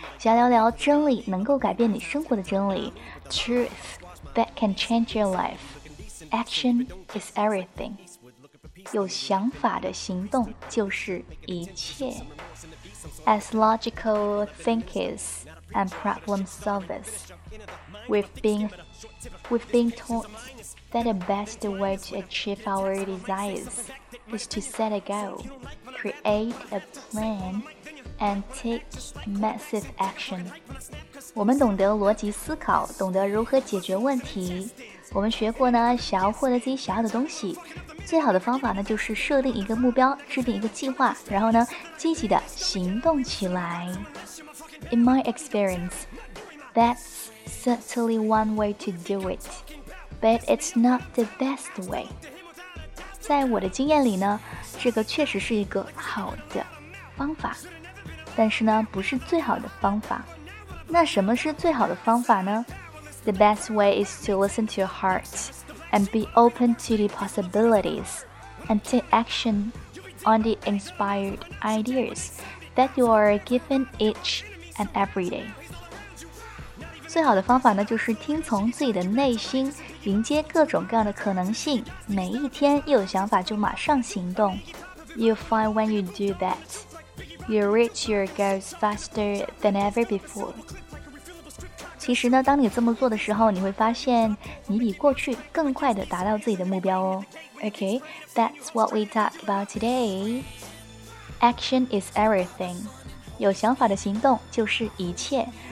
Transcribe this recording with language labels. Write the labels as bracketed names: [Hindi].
[Chinese] 想聊聊真理，能够改变你生活的真理。 [English] Truth that can change your life. Action is everything. [Chinese] 有想法的行动就是一切。 [English] As logical thinkers and problem solvers, we've been taught that the best way to achieve our desires is to set a goal, create a plan, and take massive action. [Chinese] 我们懂得逻辑思考，懂得如何解决问题。我们学过呢，想要获得自己想要的东西。最好的方法呢，就是设定一个目标，制定一个计划，然后呢，积极的行动起来。 [English] In my experience, that's certainly one way to do it, but it's not the best way. [Chinese] 在我的经验里呢，这个确实是一个好的方法，但是呢，不是最好的方法。那什么是最好的方法呢？ [English] The best way is to listen to your heart. And be open to the possibilities and take action on the inspired ideas that you are given each and every day. [Chinese] 最好的方法呢，就是听从自己的内心，迎接各种各样的可能性。每一天一有想法就马上行动。 [English] You'll find when you do that, you reach your goals faster than ever before. [Chinese] 其实呢，当你这么做的时候，你会发现你比过去更快地达到自己的目标哦。 [English] Okay, that's what we talk about today. Action is everything. [Chinese] 有想法的行动就是一切。